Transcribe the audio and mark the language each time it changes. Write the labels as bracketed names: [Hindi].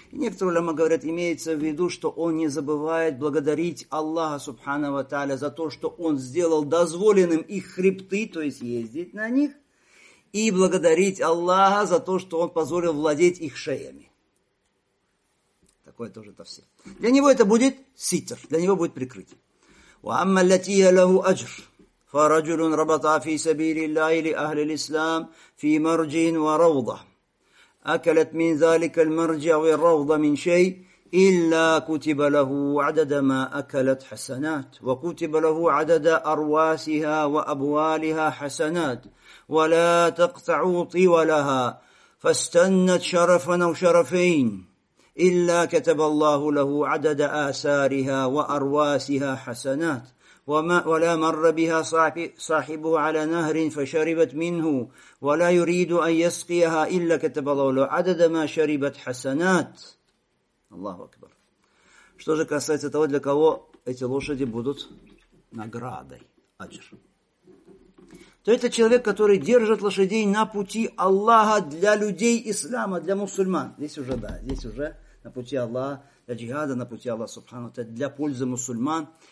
[Russian] И некоторые улема говорят, имеется в виду, что он не забывает благодарить Аллаха Субхана ва Та'аля за то, что он сделал дозволенным их хребты, то есть ездить на них, и благодарить Аллаха за то, что он позволил владеть их шеями. Такое тоже тафсир. Для него это будет ситр, для него будет прикрытие. [Arabic] وَأَمَّا الَّتِيَ لَهُ أَجْرٌ فرجل ربط في سبيل الله لأهل الإسلام في مرج وروضة أكلت من ذلك المرج والروضة من شيء إلا كتب له عدد ما أكلت حسنات وكتب له عدد أرواسها وأبوالها حسنات ولا تقطعوا طولها فاستنت شرفا أو شرفين إلا كتب الله له عدد آثارها وأرواسها حسنات ولا مر بها صاحبه على نهر فشربت منه ولا يريد أن يسقيها إلا كتب الله عدد ما شربت حسنات. الله أكبر. [Russian] Что же касается того, для кого эти лошади будут наградой, аджр. то это человек, который держит лошадей на пути Аллаха для людей ислама, для мусульман. Здесь уже, да, здесь уже на пути Аллаха, для джихада, на пути Аллаха, субхану тааля, для пользы мусульман.